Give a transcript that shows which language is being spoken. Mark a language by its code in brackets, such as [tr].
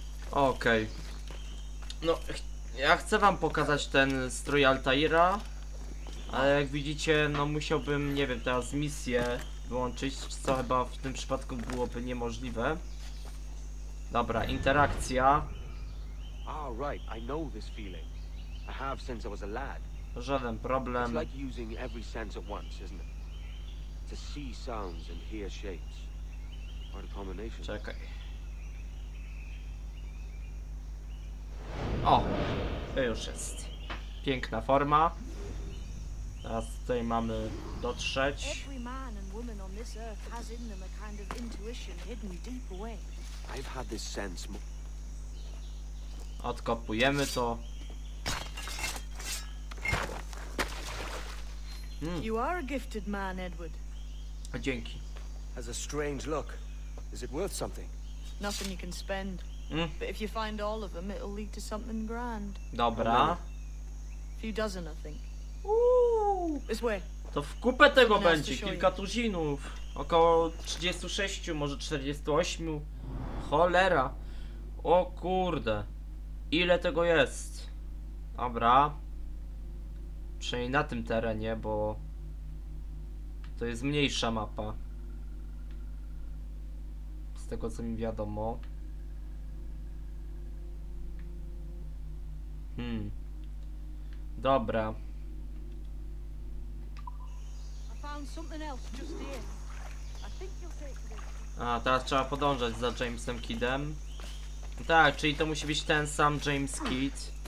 [pl] Okej. Okay. No, ja chcę wam pokazać ten strój Altaira. Ale jak widzicie, no musiałbym, nie wiem, teraz misję wyłączyć, co chyba w tym przypadku byłoby niemożliwe. Dobra, interakcja. [en] Ah, right, I know this feeling. I have since I was a lad. [pl] Żaden problem. [en] It's like using every sense at once, isn't it? To see sounds and hear shapes. What a combination. [pl] Czekaj. O! To już jest. Piękna forma. Teraz tutaj mamy dotrzeć. [en] Every man and woman on this earth has in them a kind of intuition hidden deep away. I've had this sense. [pl] Odkopujemy to. [en] You are a gifted man, Edward. [pl] Dzięki. [en] Has a strange look. Is it worth something? Nothing you can spend. But if you find all of them, it'll lead to something grand. [pl] Dobra. [en] A few dozen, I think. This way. [pl] To w kupę tego będzie kilka tuzinów. Około 36, może 48. Cholera. O kurde. Ile tego jest? Dobra. Przynajmniej na tym terenie, bo to jest mniejsza mapa. Z tego co mi wiadomo. Dobra. [en] I found something else just here. I think you'll take this. [pl] A, teraz trzeba podążać za Jamesem Kidem. Tak, czyli to musi być ten sam James Kidd.